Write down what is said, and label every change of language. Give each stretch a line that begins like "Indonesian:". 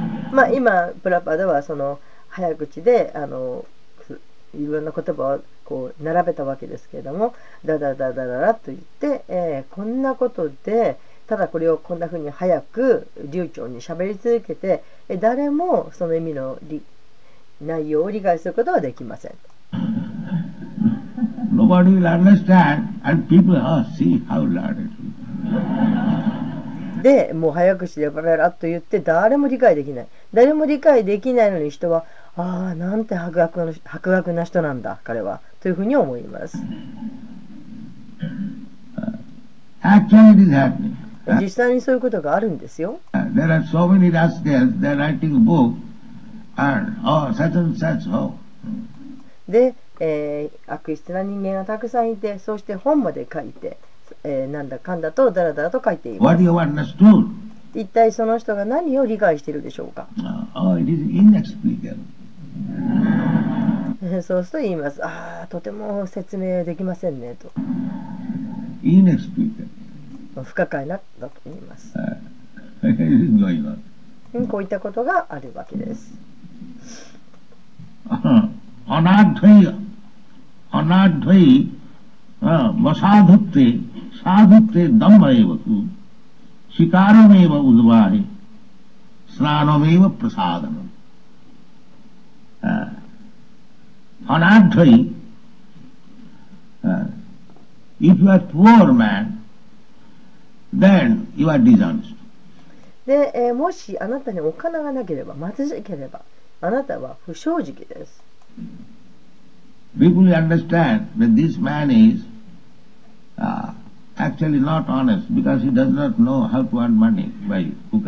Japanese: まあ今プラパダはその早口でいろんな言葉をこう並べたわけですけれども、ダダダダダダと言って、こんなことでただこれをこんな風に早く流暢に喋り続けて、誰もその意味の内容を理解することはできません。
English: Nobody will understand and people will see how learned.
Japanese: で、もう早口でバラバラと言って誰も理解できない、誰も理解できないのに人はああなんて博学な人なんだ彼はというふうに思います。
English: Actually it is happening.
Japanese: 実際にそういうことがあるんですよ。
English: There are so many rascals, they are writing books and oh, such and such, oh.
Japanese: で、悪質な人間がたくさんいて、そして本まで書いて、なんだかんだとダラダラと書いています。
English: What do you understand?
Japanese: 一体その人が何を理解しているでしょうか。
English: Oh, it is inexplicable.
Japanese: そうすると言います。ああ、とても説明できませんねと。
English: Inexplicable。
Japanese: 不可解なだと言います。はい。こういったことがあるわけです。
Sanskrit: アナドゥイ、アナドゥイ、マサドゥッテ、サドゥッテ、ダンバエヴァク、シカラメヴァウドバーイ、スナノメヴァプサダナ。
English: Anadvai, if you are poor man, then you are dishonest.
Japanese: で、もしあなたにお金がなければ、貧しければ、あなたは不正直です。
English: People understand that this man is actually not honest because he does not know how to earn money by hook